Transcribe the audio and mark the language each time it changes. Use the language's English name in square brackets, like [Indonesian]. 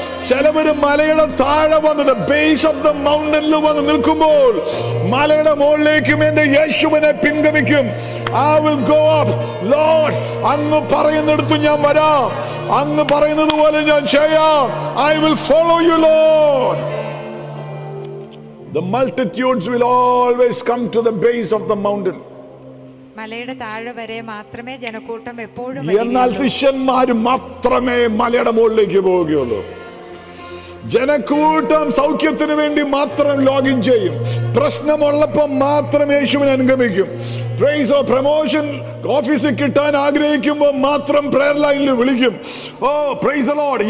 [Malayalam] ചിലവര് മലയുടെ താഴെ വന്നിട്ട് [English] base of the മൗണ്ടനിൽ [Malayalam] വന്ന് നിൽക്കുമ്പോൾ മലയുടെ മുകളിലേക്കും എന്റെ യേശുവിനെ പിൻഗമിക്കും. [English] I will go up Lord, [Malayalam] അങ്ങ് പറയുന്നിടത്ത് ഞാൻ വരാം, അങ്ങ് പറയുന്നത് പോലെ ഞാൻ ചെയ്യാം. [English] I will follow you Lord. The multitudes will always come to the base of the mountain. [Malayalam] മലയുടെ താഴെ വരെ മാത്രമേ ജനക്കൂട്ടം എപ്പോഴും എന്നാൽ ശിഷ്യന്മാർ മാത്രമേ മലയുടെ മുകളിലേക്ക് പോവുകയുള്ളൂ. ജനക്കൂട്ടം സൗഖ്യത്തിന് വേണ്ടി മാത്രം ലോഗിൻ ചെയ്യും, പ്രശ്നമുള്ളപ്പോൾ മാത്രം യേശുവിനെ അനുഗമിക്കും. പ്രൈസ് ഓ പ്രമോഷൻ ഓഫീസിൽ കിട്ടാൻ ആഗ്രഹിക്കുമ്പോൾ മാത്രം പ്രെയർ ലൈനിൽ വിളിക്കും. [English] Oh praise Lord.